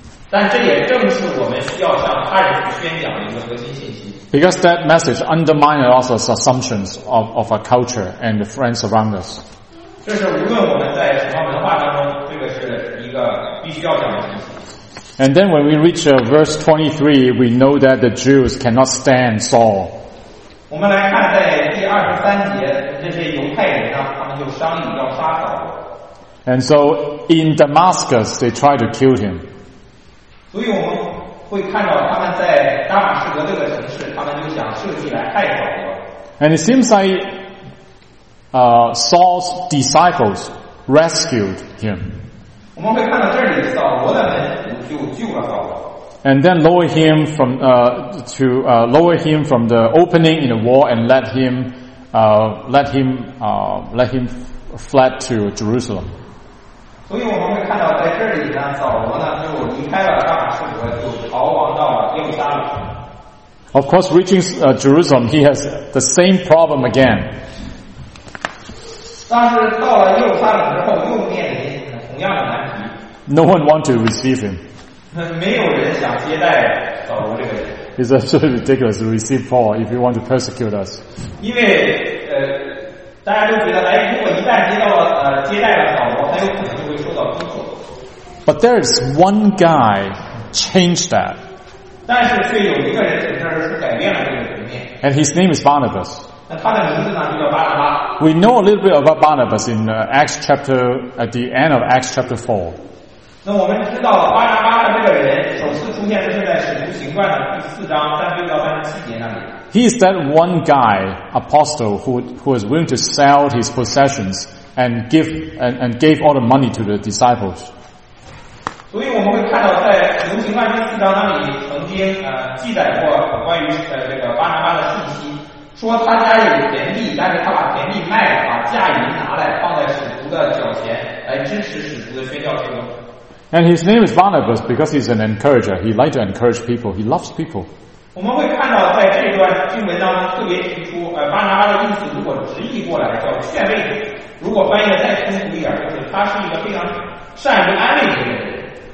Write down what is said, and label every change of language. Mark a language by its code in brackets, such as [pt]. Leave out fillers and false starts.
[en] Because that message undermines also the assumptions of our culture and the friends around us. This is [zh] 必须要讲的事情。 [en] And then when we reach verse 23, we know that the Jews cannot stand Saul. [zh] 我们来看在第二十三节，这些犹太人呢，他们就商议要杀扫。 [en] And so in Damascus, they tried to kill him. [zh] 所以我们会看到他们在大马士革这个城市，他们就想设计来害扫。 [en] And it seems like Saul's disciples rescued him. [zh] 我们会看到这里扫罗的门徒就救了扫罗。 [en] And then lower him from lower him from the opening in the wall and let him fled to Jerusalem. [zh] 所以我们会看到在这里呢，扫罗呢就离开了大马士革，就逃亡到耶路撒冷。 [en] Of course, reaching Jerusalem, he has the same problem again. [zh] 但是到了耶路撒冷之后，又面临同样的难题。 [en] No one wants to receive him. [zh] 没有人想接待扫罗这个人。 [en] It's absolutely ridiculous to receive Paul if you want to persecute us. [zh] 因为大家都觉得，哎，如果一旦接待了扫罗，他有可能就会受到逼迫。 [en] But there is one guy changed that. [zh] 但是却有一个人在这儿是改变了这个局面。 [en] And his name is Barnabas. [zh] 那他的名字呢，就叫巴拿巴。 [en] We know a little bit about Barnabas in Acts chapter at the end of Acts chapter 4. [zh] 那我们知道巴拿巴的这个人首次出现是在《使徒行传》的第四章36到37节那里。 [en] He is that one guy, apostle, who was willing to sell his possessions and gave all the money to the disciples. [zh] 所以我们会看到在《使徒行传》第四章那里曾经记载过关于这个巴拿巴的信息，说他家有田地，但是他把田地卖了，把价银拿来放在使徒的脚前，来支持使徒的宣教事工。 [en] And his name is Barnabas because he's an encourager. He likes to encourage people. He loves people. [zh] 我们会看到在这一段经文当中特别提出，巴拿巴的意思如果直译过来叫劝慰者。如果翻译的再通俗一点，就是他是一个非常善于安慰别人的人。